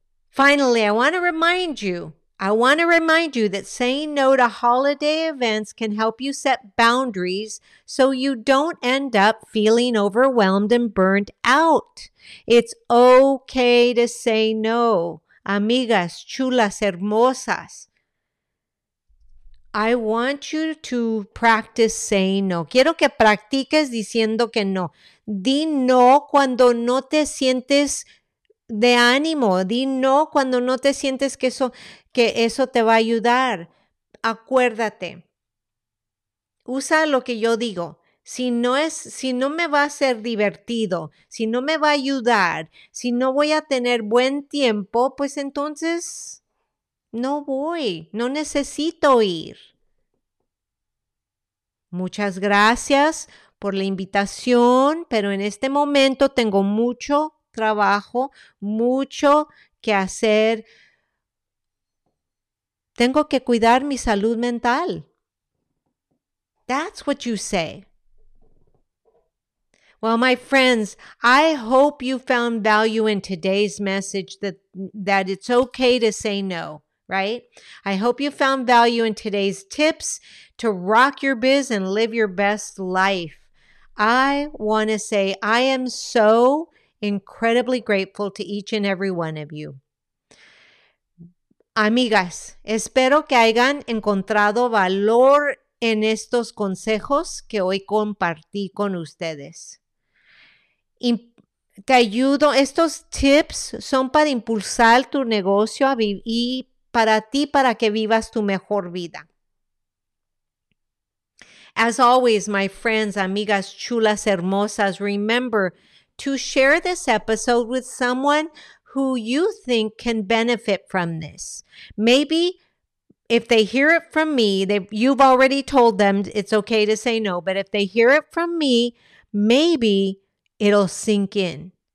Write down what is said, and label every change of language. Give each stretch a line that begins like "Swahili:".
English: Finally, I want to remind you that saying no to holiday events can help you set boundaries so you don't end up feeling overwhelmed and burnt out. It's okay to say no.
Spanish: Amigas, chulas, hermosas.
English: I want you to practice saying no.
Spanish: Quiero que practiques diciendo que no. Di no cuando no te sientes de ánimo. Di no cuando no te sientes que eso te va a ayudar. Acuérdate. Usa lo que yo digo. Si no me va a ser divertido, si no me va a ayudar, si no voy a tener buen tiempo, pues entonces no voy. No necesito ir. Muchas gracias por la invitación, pero en este momento tengo mucho trabajo, mucho que hacer. Tengo que cuidar mi salud mental.
English: That's what you say. Well, my friends, I hope you found value in today's message that it's okay to say no, right? I hope you found value in today's tips to rock your biz and live your best life. I want to say I am so incredibly grateful to each and every one of you.
Spanish: Amigas, espero que hayan encontrado valor en estos consejos que hoy compartí con ustedes. Te ayudo, estos tips son para impulsar tu negocio y para ti, para que vivas tu mejor vida.
English: As always, my friends,
Spanish: amigas chulas, hermosas,
English: remember to share this episode with someone who you think can benefit from this. Maybe if they hear it from me, you've already told them it's okay to say no, but if they hear it from me, maybe it'll sink in.